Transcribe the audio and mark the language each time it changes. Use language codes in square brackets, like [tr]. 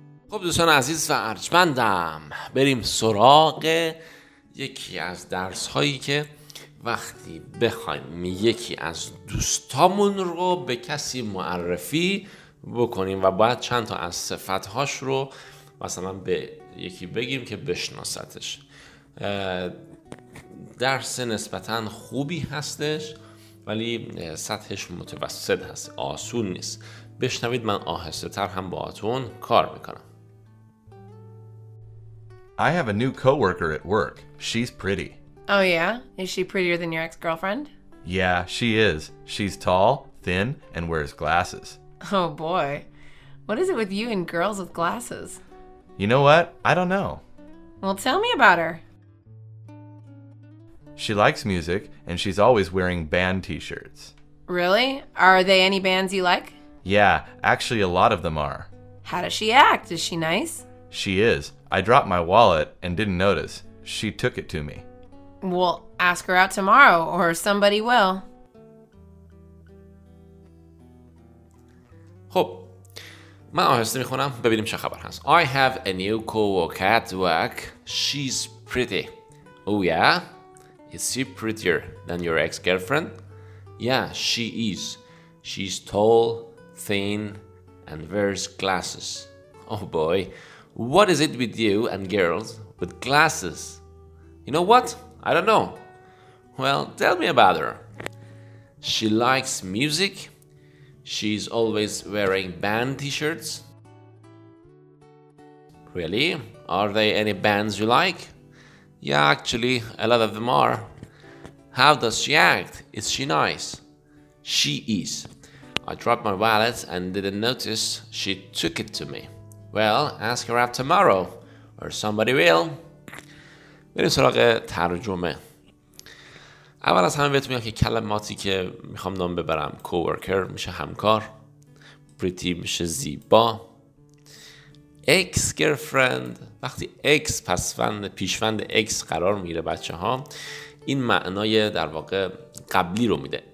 [fa] خب دوستان عزیز و ارجمندم، بریم سراغ یکی از درس هایی که وقتی بخوایم یکی از دوستامون رو به کسی معرفی بکنیم و باید چند تا از صفت هاش رو مثلا به یکی بگیم که بشناستش، درس نسبتاً خوبی هستش ولی سطحش متوسط هست، آسون نیست. بشنوید، من آهسته تر هم با اتون کار میکنم. [en] I have a new coworker at work. She's pretty. Oh yeah? Is she prettier than your ex-girlfriend? Yeah, she is. She's tall, thin, and wears glasses. Oh boy. What is it with you and girls with glasses? You know what? I don't know. Well, tell me about her. She likes music, and she's always wearing band t-shirts. Really? Are they any bands you like? Yeah, actually a lot of them are. How does she act? Is she nice? She is. I dropped my wallet and didn't notice. She took it to me. Well, ask her out tomorrow, or somebody will. [fa] خب، من آهسته میخونم، ببینیم چه خبر هست. [en] I have a new coworker at work. She's pretty. Oh yeah? Is she prettier than your ex-girlfriend? Yeah, she is. She's tall, thin, and wears glasses. Oh boy. What is it with you and girls with glasses? You know what? I don't know. Well, tell me about her. She likes music. She's always wearing band t-shirts. Really? Are there any bands you like? Yeah, actually, a lot of them are. How does she act? Is she nice? She is. I dropped my wallet and didn't notice. She took it to me. Well, ask her out tomorrow, or somebody will. [fa] بریم سراغ ترجمه. اول از همه بهتون میگم که کلماتی که میخوام نام ببرم، coworker میشه همکار، pretty میشه زیبا، ex-girlfriend، وقتی ex پسوند پیشوند ex قرار میگیره بچه ها، این معنای در واقع قبلی رو میده.